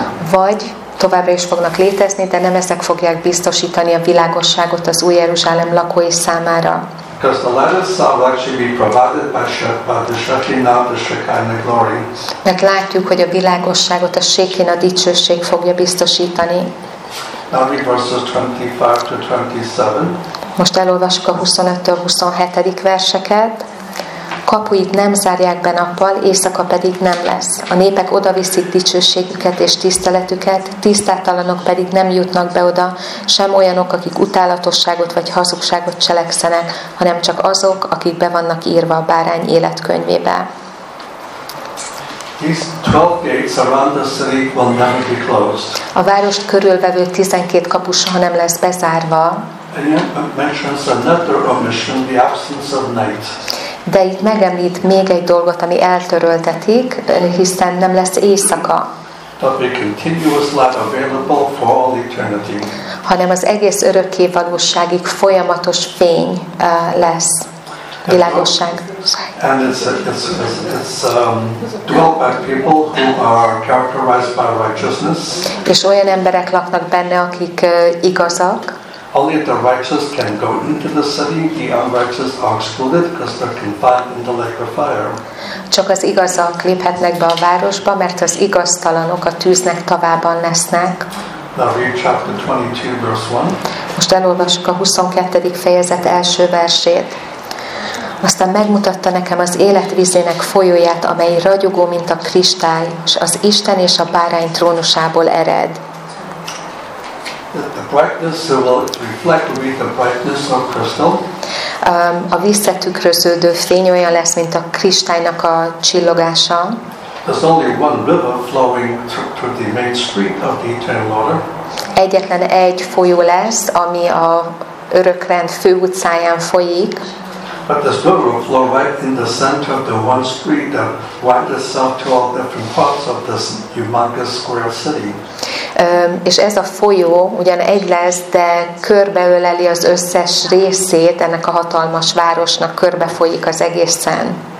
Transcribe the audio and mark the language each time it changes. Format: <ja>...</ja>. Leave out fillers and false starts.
<hu>Vagy továbbra is fognak létezni, de nem ezek fogják biztosítani a világosságot az Új Jeruzsálem lakói számára.</hu> <en>Because the light itself will actually be provided by the Shekinah, the Shekinah glory.</en> <hu>Mert látjuk, hogy a világosságot a Shekinah dicsőség fogja biztosítani.</hu> <en>Now read verses 25 to 27.</en> <hu>Most elolvasok a 25-től 27. verseket. Kapuit nem zárják be nappal, éjszaka pedig nem lesz. A népek odaviszik dicsőségüket és tiszteletüket, tisztátalanok pedig nem jutnak be oda, sem olyanok, akik utálatosságot vagy hazugságot cselekszenek, hanem csak azok, akik be vannak írva a bárány életkönyvébe.</hu> <en>These 12 gates around the city will never be closed.</en> <hu>A várost körülvevő 12 kapu soha nem lesz bezárva.</hu> <en>And it mentions another omission, the absence of night.</en> <hu>De itt megemlít még egy dolgot, ami eltöröltetik, hiszen nem lesz éjszaka.</hu> <en>But a continuous light available for all eternity.</en> <hu>Hanem az egész örökké valóságig folyamatos fény lesz. Világosság.</hu> <en>And it's dwelt by people who are characterized by righteousness.</en> <hu>És olyan emberek laknak benne, akik igazak.</hu> <en>Only the righteous can go into the city. The unrighteous are excluded because they're confined in the lake of fire.</en> <hu>Csak az igazak léphetnek be a városba, mert az igaztalanok a tűznek tavában lesznek.</hu> <en>Now read chapter 22, verse 1.</en> <hu>Most elolvassuk a 22. fejezet első versét. Aztán megmutatta nekem az életvizének folyóját, amely ragyogó, mint a kristály, és az Isten és a bárány trónusából ered.</hu> <en>The brightness will reflect with the brightness of crystal.</en> <hu>A visszatükröződő fény olyan lesz, mint a kristálynak a csillogása.</hu> <en>There's only one river flowing through the main street of the eternal order.</en> <hu>Egyetlen egy folyó lesz, ami a örökrend fő utcáján folyik.</hu> <en>But this river will flow right in the center of the one street that winds itself to all different parts of this humongous square city.</en> <hu>És ez a folyó ugyan egy lesz, de körbeöleli az összes részét ennek a hatalmas városnak, körbefolyik az egészen.</hu>